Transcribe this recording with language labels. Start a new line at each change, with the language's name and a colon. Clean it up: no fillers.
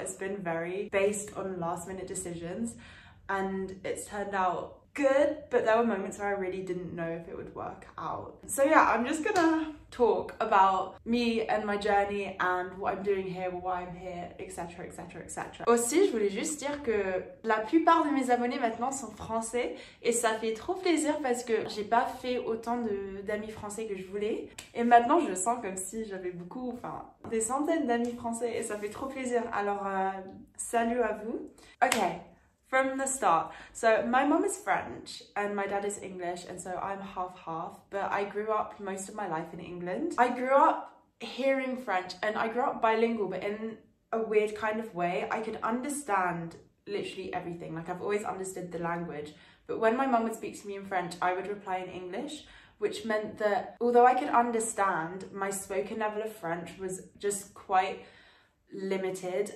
English: It's been very based on last minute decisions. And it's turned out good, but there were moments where I really didn't know if it would work out. So yeah, I'm just gonna talk about me and my journey and what I'm doing here, why I'm here, etc, etc, etc.
French: Aussi, je voulais juste dire que la plupart de mes abonnés maintenant sont français et ça fait trop plaisir parce que j'ai pas fait autant d'amis français que je voulais. Et maintenant, je sens comme si j'avais beaucoup, enfin, des centaines d'amis français et ça fait trop plaisir. Alors, salut à vous. Ok.
English: From the start, so my mom is French and my dad is English, and so I'm half-half, but I grew up most of my life in England. I grew up hearing French and I grew up bilingual, but in a weird kind of way. I could understand literally everything, like I've always understood the language, but when my mom would speak to me in French, I would reply in English, which meant that although I could understand, my spoken level of French was just quite limited.